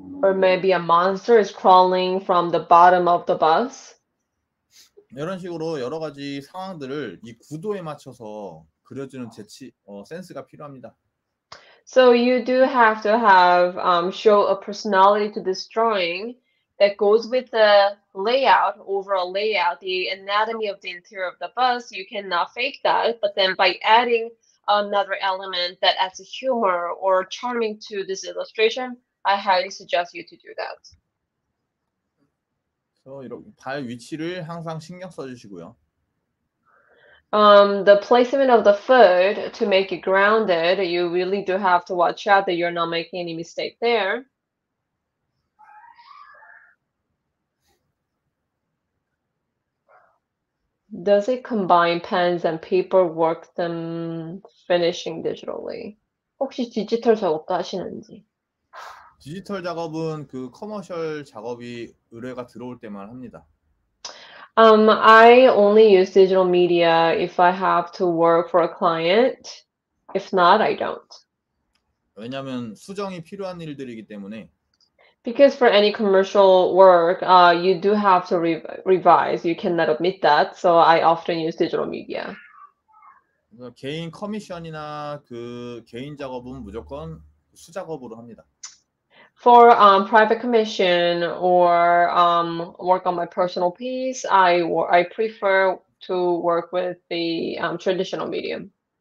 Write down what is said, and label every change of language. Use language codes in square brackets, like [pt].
[en] Or maybe a monster is crawling from the bottom of the bus. [ko] 이런 식으로 여러 가지 상황들을 이 구도에 맞춰서 그려주는 재치, 센스가 필요합니다. [en] So you do have to have show a personality to this drawing that goes with the layout, overall layout, the anatomy of the interior of the bus. You cannot fake that, but then by adding another element that adds a humor or charming to this illustration, I highly suggest you to do that. [ko] 이렇게 발 위치를 항상 신경 써주시고요. [en] The placement of the foot to make it grounded, you really do have to watch out that you're not making any mistake there. 더스 잇 컴바인 펜스 앤 페이퍼 워크 뎀 피니싱 디지털리? [ko] 혹시 디지털 작업도 하시는지? 디지털 작업은 그 커머셜 작업이 의뢰가 들어올 때만 합니다. [en] I only use digital media if I have to work for a client. If not, I don't. [ko] 왜냐면 수정이 필요한 일들이기 때문에. [en] Because for any commercial work, you do have to revise. You cannot omit that. So I often use digital media. [ko] 개인 커미션이나 그 개인 작업은 무조건 수작업으로 합니다. [en] For private commission or work on my personal piece, I prefer to work with the traditional medium.